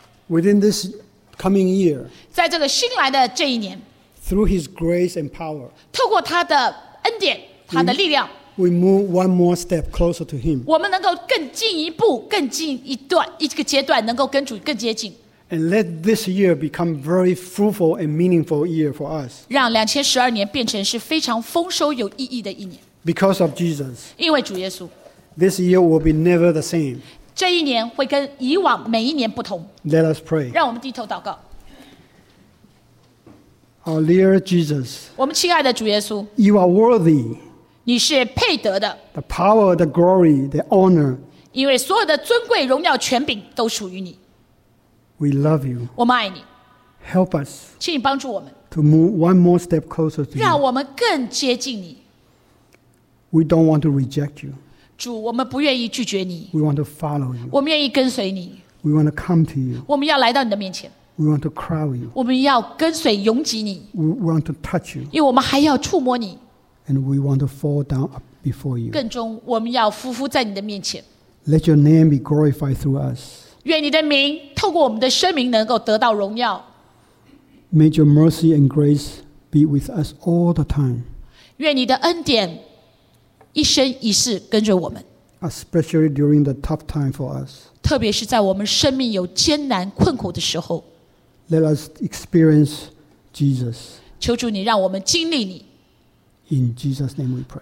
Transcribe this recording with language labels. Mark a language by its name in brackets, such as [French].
[English] Within this coming year. [Chinese] 在这个新来的这一年。 [English] Through His grace and power, [Chinese] 透过他的恩典，他的力量 [English] ，we move one more step closer to Him. [Chinese] 我们能够更进一步，更进一段一个阶段，能够跟主更接近。 [English] And let this year become very fruitful and meaningful year for us. [Chinese] 让2012年变成是非常丰收有意义的一年。 [English] Because of Jesus, [Chinese] 因为主耶稣 [English] ，this year will be never the same. [Chinese] 这一年会跟以往每一年不同。 [English] Let us pray. [Chinese] 让我们低头祷告。 [English] Our dear Jesus, [Chinese] 我们亲爱的主耶稣 [English] you are worthy, [Chinese] 你是配得的 [English] the power, the glory, the honor, [Chinese] 因为所有的尊贵、荣耀、权柄都属于你 [English] We love you, [Chinese] 我们爱你 [English] Help us, [Chinese] 请你帮助我们 [English] to move one more step closer to you, [Chinese] 让我们更接近你 [English] We don't want to reject you, [Chinese] 主，我们不愿意拒绝你 [English] We want to follow you, [Chinese] 我们愿意跟随你 [English] We want to come to you, [Chinese] 我们要来到你的面前 [English] We want to crowd you. [Chinese] 我们要跟随拥挤你。 [English] We want to touch you. [Chinese] 因为我们还要触摸你。 [English] And we want to fall down before you. [Chinese] 更终我们要俯伏在你的面前。 [English] Let your name be glorified through us. [Chinese] 愿你的名透过我们的生命能够得到荣耀。 [English] May your mercy and grace be with us all the time. [Chinese] 愿你的恩典一生一世跟着我们。 [English] especially during the tough time for us. [Chinese] 特别是在我们生命有艰难困苦的时候。 [English] Let us experience Jesus. [Chinese] 求主你让我们经历你。 [English] In Jesus' name we pray.